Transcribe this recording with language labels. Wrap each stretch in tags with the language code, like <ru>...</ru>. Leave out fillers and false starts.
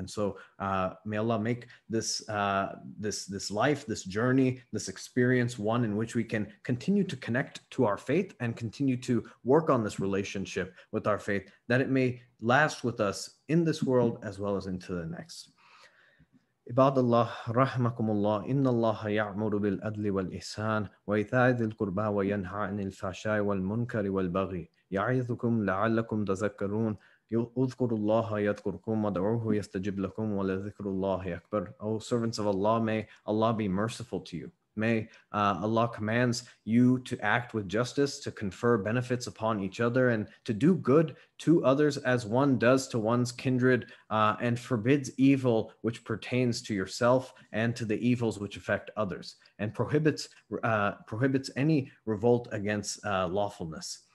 <en>And so may Allah make this life, this journey, this experience, one in which we can continue to connect to our faith and continue to work on this relationship with our faith, that it may last with us in this world as well as into the next.</en> <ar>عباد الله رحمكم الله إن الله يعمر بالعدل والإحسان وإيتاء ذي القربى وينهى عن الفحشاء والمنكر والبغي يعظكم لعلكم تذكرون اذكروا الله يذكركم وادعوه يستجب لكم ولذكر الله أكبر.</ar> <en>O servants of Allah, may Allah be merciful to you. May Allah commands you to act with justice, to confer benefits upon each other, and to do good to others as one does to one's kindred, and forbids evil which pertains to yourself and to the evils which affect others, and prohibits any revolt against lawfulness.</en>